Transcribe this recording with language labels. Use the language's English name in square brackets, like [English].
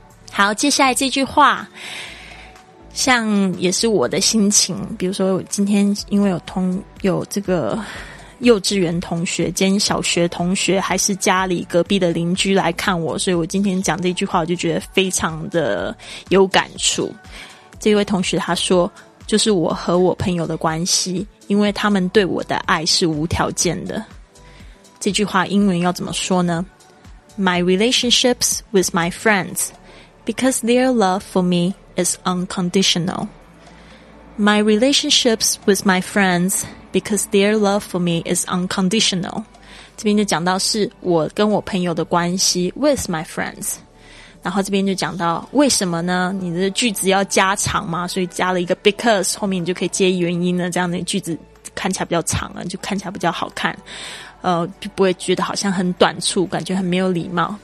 [Chinese] 好，接下来这句话像也是我的心情，比如说今天因为有这个幼稚园同学兼小学同学还是家里隔壁的邻居来看我，所以我今天讲这句话我就觉得非常的有感触。这位同学他说，就是我和我朋友的关系，因为他们对我的爱是无条件的。这句话英文要怎么说呢？ [English] My relationships with my friends, because their love for me is unconditional. My relationships with my friends, because their love for me is unconditional. [Chinese] 这边就讲到是我跟我朋友的关系 [English] with my friends. [Chinese] 然后这边就讲到为什么呢，你的句子要加长嘛，所以加了一个 because, 后面你就可以接原因了，这样的句子看起来比较长了，就看起来比较好看，就不会觉得好像很短促，感觉很没有礼貌。